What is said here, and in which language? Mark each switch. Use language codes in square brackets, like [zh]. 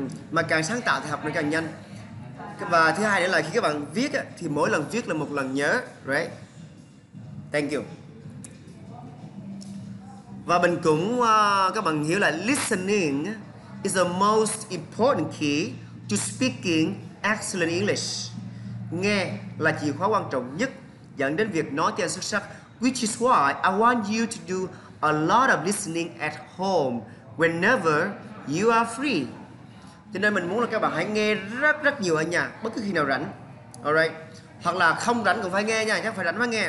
[vi] Mà càng sáng tạo thì học nó càng nhanh. Và thứ hai nữa là khi các bạn viết thì mỗi lần viết là một lần nhớ, [en] right? Thank you. [vi] Và mình cũng các bạn hiểu là [en] listening is the most important key to speaking excellent English. [vi] Nghe là chìa khóa quan trọng nhất dẫn đến việc nói tiếng Anh xuất sắc. [en] Which is why I want you to do a lot of listening at home whenever you are free. [vi] Cho nên mình muốn là các bạn hãy nghe rất rất nhiều ở nhà, bất cứ khi nào rảnh. Alright. Hoặc là không rảnh cũng phải nghe nha, chắc phải rảnh mới nghe.